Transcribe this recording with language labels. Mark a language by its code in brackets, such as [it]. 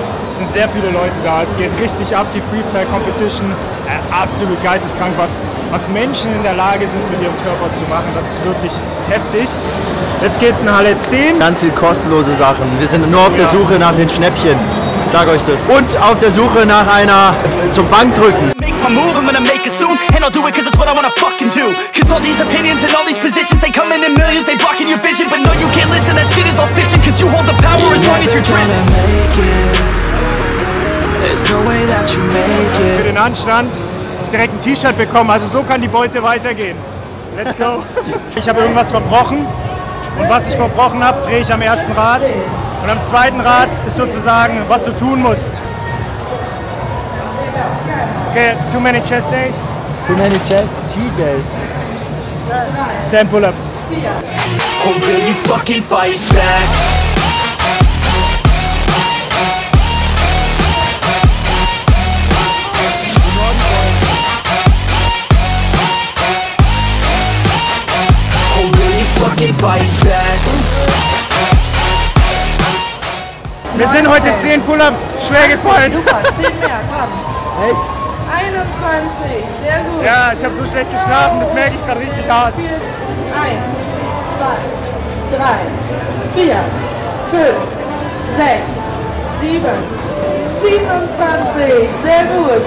[de] Es sind sehr viele Leute da, es geht richtig ab, die Freestyle-Competition. Absolut geisteskrank, was Menschen in der Lage sind, mit ihrem Körper zu machen. Das ist wirklich heftig. Jetzt geht's in Halle 10. Ganz viel kostenlose Sachen. Wir sind nur auf der Suche nach den Schnäppchen. Ich sag euch das. Und auf der Suche nach einer zum Bankdrücken. [en] I'm moving, gonna make it soon, and I'll do it cause it's what I wanna fucking do. Cause all these opinions and all these positions, they come in millions, they blocking your vision. But no, you can't listen, that shit is all fiction. Cause you hold the power you're as long as you're dreaming. You're never gonna make it. There's no way that you make it. [de] Für den Anstand, ich direkt ein T-Shirt bekommen, also so kann die Beute weitergehen. [en] Let's go. [de] Ich habe irgendwas verbrochen, und was ich verbrochen habe, drehe ich am ersten Rad. Und am zweiten Rad ist sozusagen, was du tun musst. [en] Okay, too many chest days. Too many chest G days. 10 pull-ups. Oh, will you fucking fight back? Oh, will you fucking fight back? [de] Wir sind heute 10 pull-ups schwer gefallen. Super, 10 mehr, komm. 21, sehr gut. Ja, ich habe so schlecht geschlafen, das merke ich gerade richtig hart. 1, 2, 3, 4, 5, 6, 7, 27, sehr gut.